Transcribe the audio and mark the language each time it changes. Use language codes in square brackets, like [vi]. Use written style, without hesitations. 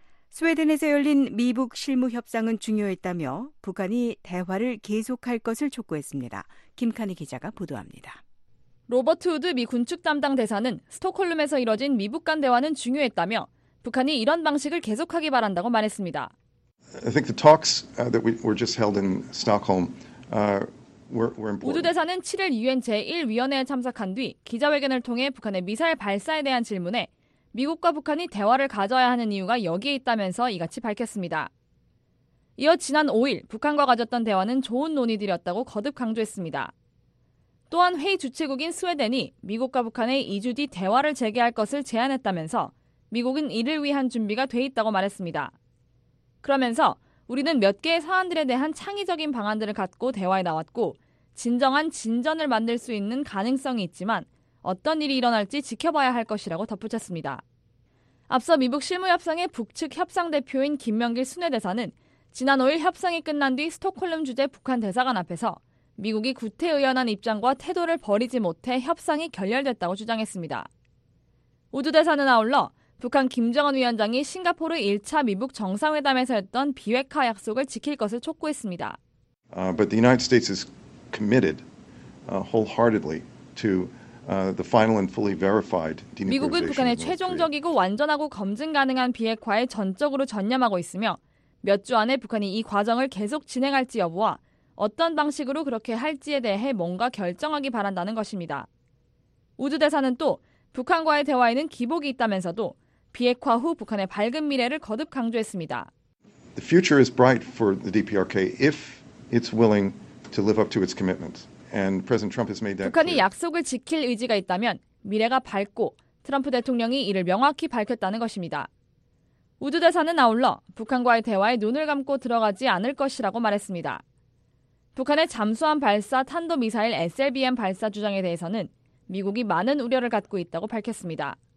[ko] 스웨덴에서 열린 미북 실무협상은 중요했다며 북한이 대화를 계속할 것을 촉구했습니다. 김카니 기자가 보도합니다. 로버트 우드 미 군축 담당 대사는 스톡홀름에서 이뤄진 미북 간 대화는 중요했다며 북한이 이런 방식을 계속하기 바란다고 말했습니다. [en] I think the talks that were just held in Stockholm were important. [ko] 우드 대사는 7일 유엔 제1위원회에 참석한 뒤 기자회견을 통해 북한의 미사일 발사에 대한 질문에 미국과 북한이 대화를 가져야 하는 이유가 여기에 있다면서 이같이 밝혔습니다. 이어 지난 5일 북한과 가졌던 대화는 좋은 논의들이었다고 거듭 강조했습니다. 또한 회의 주최국인 스웨덴이 미국과 북한의 2주 뒤 대화를 재개할 것을 제안했다면서 미국은 이를 위한 준비가 돼 있다고 말했습니다. 그러면서 우리는 몇 개의 사안들에 대한 창의적인 방안들을 갖고 대화에 나왔고 진정한 진전을 만들 수 있는 가능성이 있지만 어떤 일이 일어날지 지켜봐야 할 것이라고 덧붙였습니다. 앞서 미북 실무협상의 북측 협상대표인 김명길 순회대사는 지난 5일 협상이 끝난 뒤 스톡홀름 주재 북한 대사관 앞에서 미국이 구태의연한 입장과 태도를 버리지 못해 협상이 결렬됐다고 주장했습니다. 우드 대사는 아울러 북한 김정은 위원장이 싱가포르 1차 미북 정상회담에서 했던 비핵화 약속을 지킬 것을 촉구했습니다. [en] But the United States is committed wholeheartedly to the final and fully verified denuclearization. [ko] 미국은 북한의 최종적이고 완전하고 검증 가능한 비핵화에 전적으로 전념하고 있으며 몇 주 안에 북한이 이 과정을 계속 진행할지 여부와 어떤 방식으로 그렇게 할지에 대해 뭔가 결정하기 바란다는 것입니다. 우드 대사는 또 북한과의 대화에는 기복이 있다면서도 비핵화 후 북한의 밝은 미래를 거듭 강조했습니다. [en] The future is bright for the DPRK if it's willing to live up to its commitments. And President Trump has made that. [ko] 북한이 약속을 지킬 의지가 있다면 미래가 밝고 트럼프 대통령이 이를 명확히 밝혔다는 것입니다. 우드 대사는 아울러 북한과의 대화에 눈을 감고 들어가지 않을 것이라고 말했습니다. 북한의 잠수함 발사 탄도미사일 SLBM 발사 주장에 대해서는 미국이 많은 우려를 갖고 있다고 밝혔습니다.